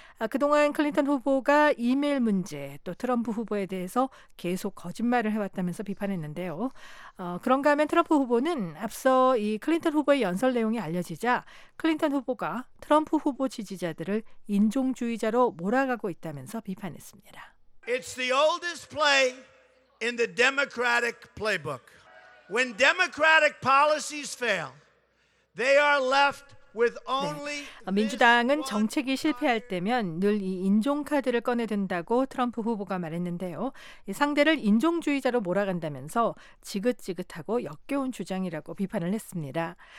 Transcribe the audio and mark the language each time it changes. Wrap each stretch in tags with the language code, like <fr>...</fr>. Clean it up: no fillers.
<ko>그동안 클린턴 후보가 이메일 문제 또 트럼프 후보에 대해서 계속 거짓말을 해왔다면서 비판했는데요. 그런가 하면 트럼프 후보는 앞서 이 클린턴 후보의 연설 내용이 알려지자 클린턴 후보가 트럼프 후보 지지자들을 인종주의자로 몰아가고 있다면서 비판했습니다.</ko> <en>It's the oldest play in the Democratic playbook. When Democratic policies fail, they are left</en> <ko>네. 민주당은 정책이 실패할 때면 늘 이 인종 카드를 꺼내든다고 트럼프 후보가 말했는데요. 상대를 인종주의자로 몰아간다면서 지긋지긋하고 역겨운 주장이라고 비판을 했습니다.</ko>